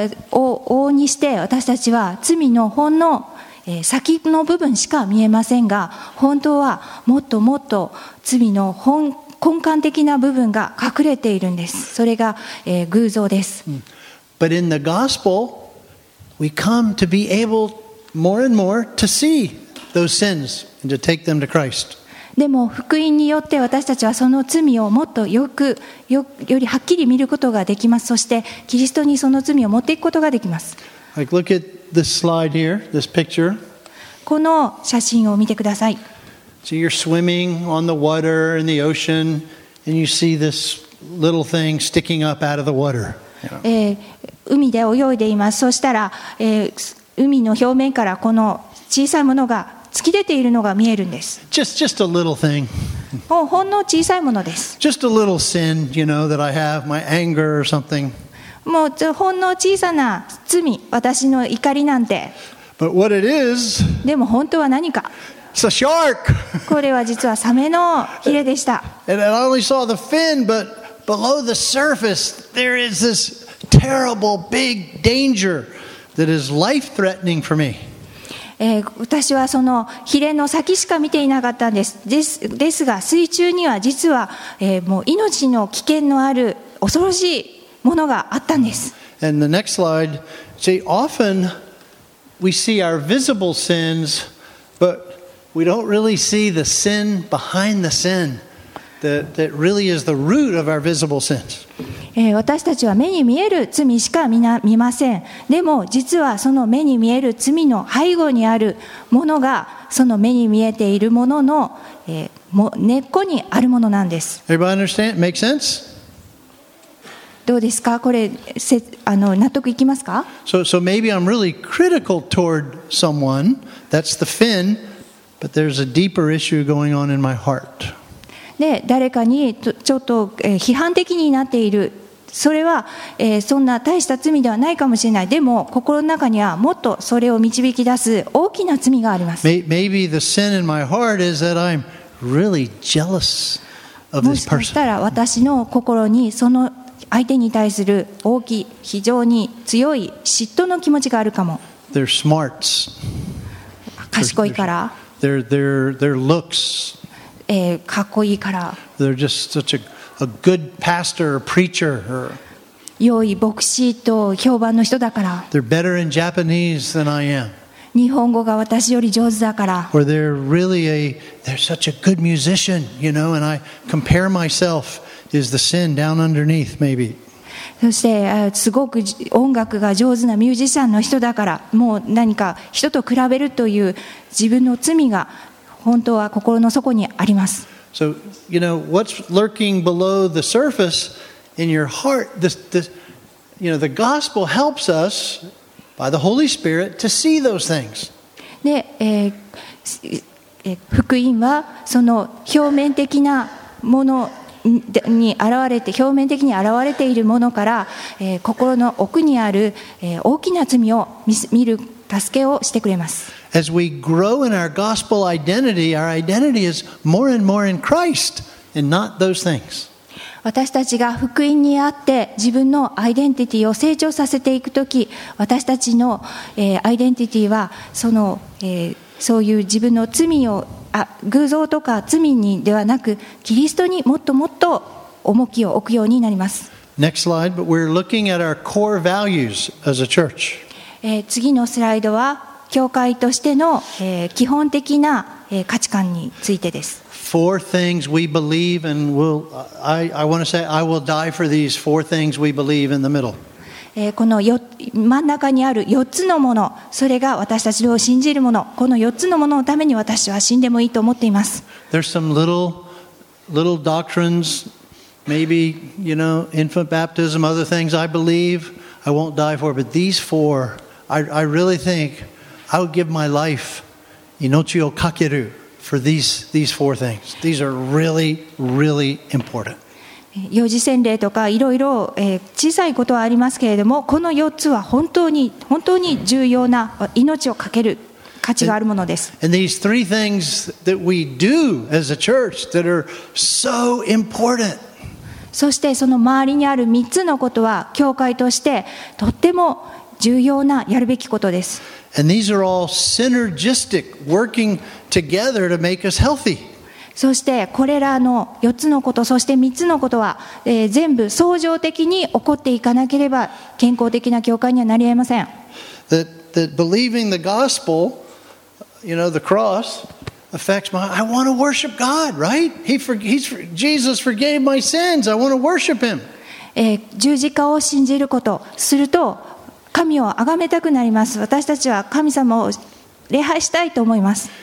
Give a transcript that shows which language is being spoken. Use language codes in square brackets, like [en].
[ja] 往々にして私たちは罪のほんの先の部分しか見えませんが、本当はもっともっと罪の根幹的な部分が隠れているんです。それが偶像です。 [en] But in the gospel, we come to be able more and more to see those sins and to take them to Christ. [ja] でも福音によって私たちはその罪をもっとよりはっきり見ることができます。そしてキリストにその罪を持っていくことができます。 [en] Like, look at this slide here, this picture. [ja] この写真を見てください。 [en] So you're swimming on the water in the ocean, and you see this little thing sticking up out of the water. You know. [ja] 海で泳いでいます。そしたら、海の表面からこの小さいものが突き出ているのが見えるんです。 [en] Just a little thing. [ja] ほんの小さいものです。 [en] Just a little sin, you know, that I have, my anger or something. [ja] もうほんの小さな罪、私の怒りなんて。 [en] But what it is? [ja] でも本当は何か。 [en] It's a shark. [ja] これは実はサメのヒレでした。 [en] And I only saw the fin, but below the surface, there is this terrible big danger that is life-threatening for me. [ja] 私はそのヒレの先しか見ていなかったんです。ですが水中には実は、もう命の危険のある恐ろしいものがあったんです。 [en] And the next slide, see, often we see our visible sins, but we don't really see the sin behind the sin that really is the root of our visible sins. [ja] 私たちは目に見える罪しか見ません。でも実はその目に見える罪の背後にあるものがその目に見えているものの、根っこにあるものなんです。 [en] Everybody understand? Make sense? [ja] どうですか?これ、納得いきますか? [en] So maybe I'm really critical toward someone. That's the fin. But there's a deeper issue going on in my heart. [ja] で誰かにちょっと批判的になっている、それは、そんな大した罪ではないかもしれない、でも心の中にはもっとそれを導き出す大きな罪があります。 [en] Maybe the sin in my heart is that I'm really jealous of this person. [ja] もしかしたら私の心にその相手に対する大きい非常に強い嫉妬の気持ちがあるかも。 [en] They're smarts. [ja] 賢いから。 [en] They're looks. [ja] かっこいいから。 [en] They're just such a good pastor or preacher. [ja] 良い牧師と評判の人だから。 [en] They're better in Japanese than I am. [ja] 日本語が私より上手だから。 [en] Or they're such a good musician, you know, and I compare myself is the sin down underneath, maybe. [ja] そしてすごく音楽が上手なミュージシャンの人だから、もう何か人と比べるという自分の罪が。本当は心の底にあります。 [en] So, you know, what's lurking below the surface in your heart, this, you know, the gospel helps us by the Holy Spirit to see those things. [ja] で、福音はその表面的なものに現れて、表面的に現れているものから、心の奥にある、大きな罪を 見る助けをしてくれます。 [en] As we grow in our gospel identity, our identity is more and more in Christ and not those things. [ja] 私たちが福音にあって自分のアイデンティティを成長させていくとき、私たちの、アイデンティティはその、そういう自分の罪を偶像とか罪にではなく、キリストにもっともっと重きを置くようになります。 [en] Next slide, but we're looking at our core values as a church. [ja] 次のスライドは教会としての、基本的な、価値観についてです。 [en] Four things we believe, and we'll, I want to say I will die for these four things we believe in the middle. [ja] この真ん中にある4つのもの、それが私たちを信じるもの、この4つのもののために私は死んでもいいと思っています。 [en] There's some little doctrines, maybe, you know, infant baptism, other things I believe I won't die for, but these four, I really think I would give my life, [ja] 命をかける [en] for these four things. These are really, really important. [ja] 幼児洗礼とかいろいろ小さいことはありますけれども、この4つは本当に本当に重要な、命をかける価値があるものです。 [en] And these three things that we do as a church that are so important. [ja] そしてその周りにある3つのことは教会としてとっても重要なやるべきことです。 [en] And these are all synergistic, working together to make us healthy. [ja] そしてこれらの4つのこと、そして3つのことは、全部相乗的に起こっていかなければ健康的な教会にはなり得ません。 [en] That believing the gospel, you know, the cross affects my, I want to worship God, right? Jesus forgave my sins. I want to worship him. [ja] 十字架を信じることすると神を崇めたくなります。私たちは神様を礼拝したいと思います。